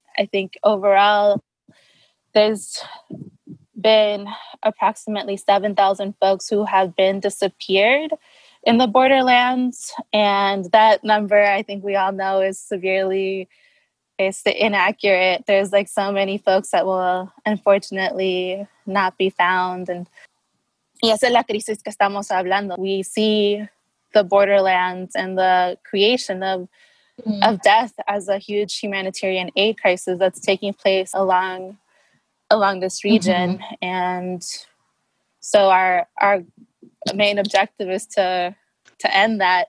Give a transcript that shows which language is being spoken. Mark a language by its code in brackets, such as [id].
[en] I think overall there's been approximately 7,000 folks who have been disappeared in the borderlands. And that number, I think we all know, is severely, it's inaccurate. There's like so many folks that will unfortunately not be found. And [es] y esa es la crisis que estamos hablando. [en] We see the borderlands and the creation of death as a huge humanitarian aid crisis that's taking place along this region. Mm-hmm. And so our main objective is to end that.